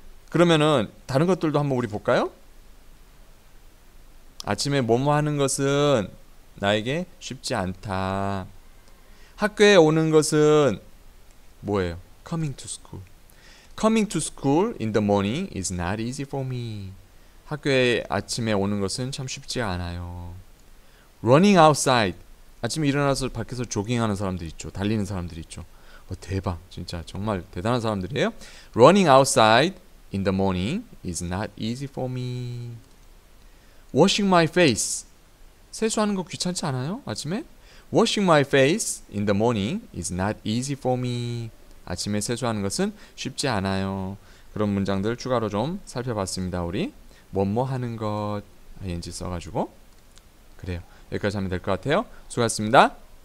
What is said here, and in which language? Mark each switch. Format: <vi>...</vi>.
<ko>그러면은 다른 것들도 한번 우리 볼까요? 아침에 뭐뭐 하는 것은 나에게 쉽지 않다. 학교에 오는 것은 뭐예요?</ko> <en>Coming to school. Coming to school in the morning is not easy for me.</en> <ko>학교에 아침에 오는 것은 참 쉽지 않아요.</ko> <en>Running outside.</en> <ko>아침에 일어나서 밖에서 조깅하는 사람들 있죠. 달리는 사람들 있죠. 와, 대박. 진짜 정말 대단한 사람들이에요.</ko> <en>Running outside in the morning is not easy for me. Washing my face.</en> <ko>세수하는 거 귀찮지 않아요? 아침에?</ko> <en>Washing my face in the morning is not easy for me.</en> <ko>아침에 세수하는 것은 쉽지 않아요. 그런 문장들 추가로 좀 살펴봤습니다. 우리 뭐뭐 하는 것 ing 써가지고 그래요. 여기까지 하면 될 것 같아요. 수고하셨습니다.</ko>